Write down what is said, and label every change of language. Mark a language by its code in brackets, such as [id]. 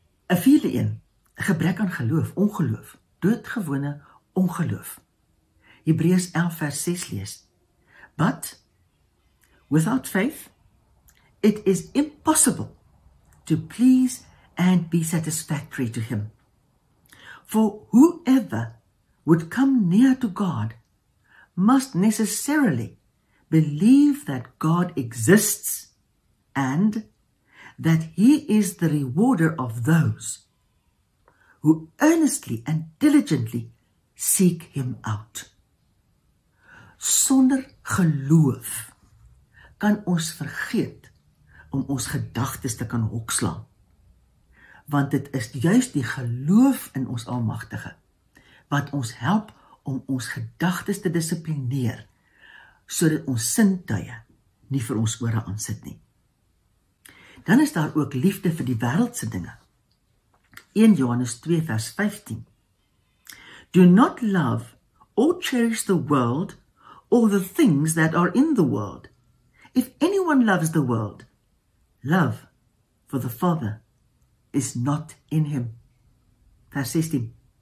[af] 'N Vierde een, gebrek aan geloof, ongeloof, doodgewone ongeloof. Hebreërs 11 vers 6 lees: [en] But without faith it is impossible to please and be satisfactory to him. For whoever would come near to God must necessarily believe that God exists and that he is the rewarder of those who earnestly and diligently seek him out. [af] Sonder geloof kan ons vergeet om ons gedagtes te kan hokslaan, want dit is juist die geloof in ons Almagtige wat ons help om ons gedagtes te dissiplineer sodat ons sintuie nie vir ons ore aansit nie. Dan is daar ook liefde vir die wêreldse dinge. 1 Johannes 2 vers 15. [en] Do not love or cherish the world or the things that are in the world. If anyone loves the world, love for the Father is not in him. [af] Vers 16.